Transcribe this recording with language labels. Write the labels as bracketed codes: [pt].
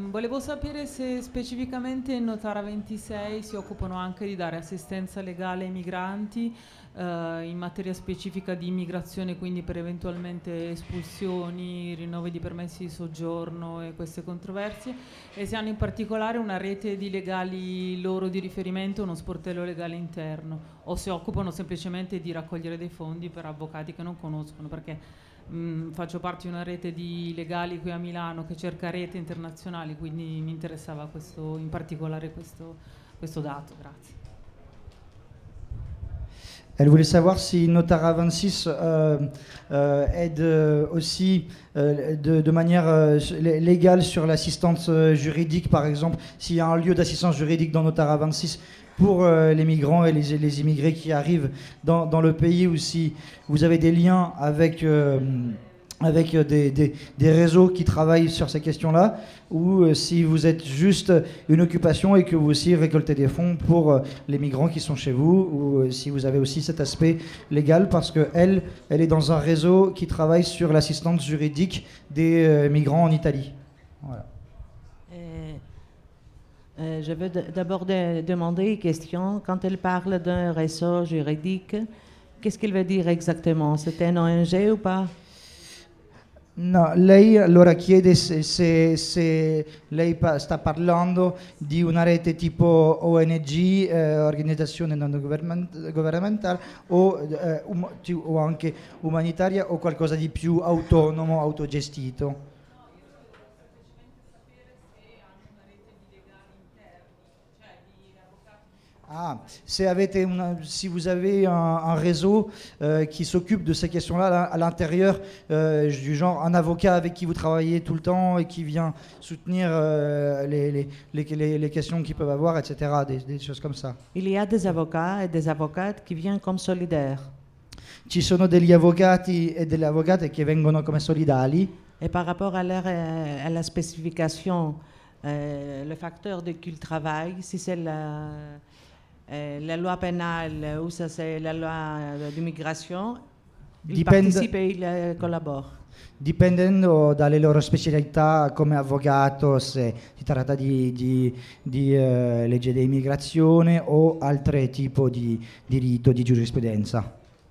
[it] Volevo sapere se specificamente in Notara 26 si occupano anche di dare assistenza legale ai migranti in materia specifica di immigrazione, quindi per eventualmente espulsioni, rinnovi di permessi di soggiorno e queste controversie, e se hanno in particolare una rete di legali loro di riferimento, uno sportello legale interno, o se occupano semplicemente di raccogliere dei fondi per avvocati che non conoscono, perché faccio parte di una rete di legali qui a Milano che cerca rete internazionali, quindi mi interessava questo, in particolare questo dato. Grazie. [fr] Elle voulait savoir si Notara 26 aide aussi de manière légale sur l'assistance juridique, par exemple, s'il y a un lieu d'assistance juridique dans Notara 26 pour les migrants et les immigrés qui arrivent dans le pays, ou si vous avez des liens avec, avec des réseaux qui travaillent sur ces questions-là, ou si vous êtes juste une occupation et que vous aussi récoltez des fonds pour les migrants qui sont chez vous, ou si vous avez aussi cet aspect légal, parce qu'elle, elle est dans un réseau qui travaille sur l'assistance juridique des migrants en Italie. Voilà. Je veux d'abord demander une question. Quand elle parle d'un réseau juridique, qu'est-ce qu'il veut dire exactement? C'est un ONG ou pas? [it] No, lei allora chiede se lei sta parlando di una rete tipo ONG, organizzazione non governamentale, o anche umanitaria, o qualcosa di più autonomo, autogestito. [fr] Ah, si vous avez un réseau qui s'occupe de ces questions-là à l'intérieur, du genre un avocat avec qui vous travaillez tout le temps et qui vient soutenir les questions qu'ils peuvent avoir, etc., des choses comme ça. Il y a des avocats et des avocates qui viennent comme solidaires. [it] Ci sono degli avvocati e delle avvocate che vengono come solidali. [fr] Et par rapport à la spécification, le facteur de qu'ils travaillent, si c'est la loi pénale ou ça c'est la loi d'immigration, participe et il collabore. [it] Dipendendo dalle loro specialità come avvocato, se si tratta di legge d'immigrazione o altri tipi di diritto, di giurisprudenza.